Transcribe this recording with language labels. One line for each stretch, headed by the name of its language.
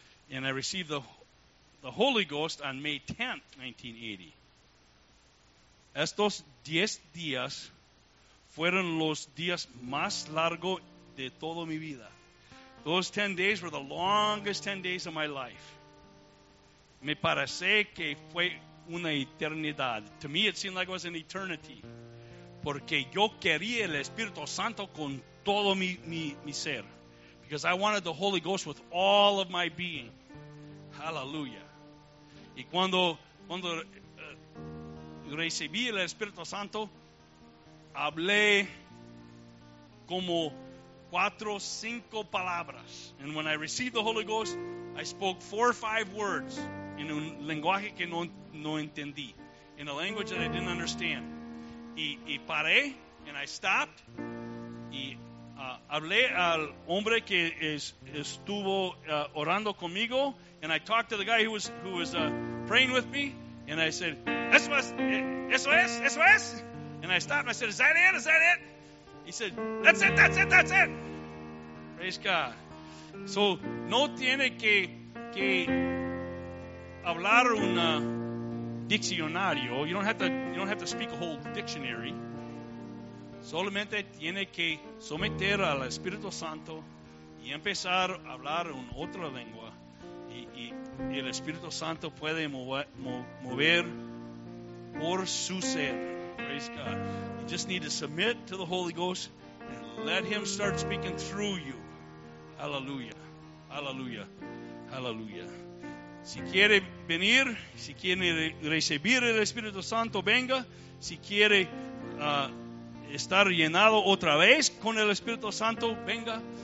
English: And I received the Holy Ghost on May 10th, 1980.
Spanish: Estos 10 días fueron los días más largos de toda mi vida.
English: Those 10 days were the longest 10 days of my life.
Spanish: Me parece que fue una eternidad.
English: To me, it seemed like it was an eternity.
Spanish: Porque yo quería el Espíritu Santo con todo mi ser.
English: Because I wanted the Holy Ghost with all of my being. Hallelujah.
Spanish: Y cuando recibí el Espíritu Santo, hablé como
English: 4 or 5
Spanish: palabras.
English: And when I received the Holy Ghost, I spoke 4 or 5 words in
Spanish: un lenguaje que no entendí,
English: in a language that I didn't understand.
Spanish: Y paré,
English: and I stopped,
Spanish: y hablé al hombre que estuvo orando conmigo,
English: and I talked to the guy who was praying with me, and I said,
Spanish: eso es.
English: And I stopped and I said, is that it? He said, that's it. Praise God. So,
Spanish: no tiene que hablar un diccionario.
English: You don't have to speak a whole dictionary.
Spanish: Solamente tiene que someter al Espíritu Santo y empezar a hablar en otra lengua. Y el Espíritu Santo puede mover por su ser.
English: Praise God. You just need to submit to the Holy Ghost and let Him start speaking through you. Hallelujah. Hallelujah. Hallelujah.
Spanish: Si quiere venir, si quiere recibir el Espíritu Santo, venga. Si quiere estar llenado otra vez con el Espíritu Santo, venga.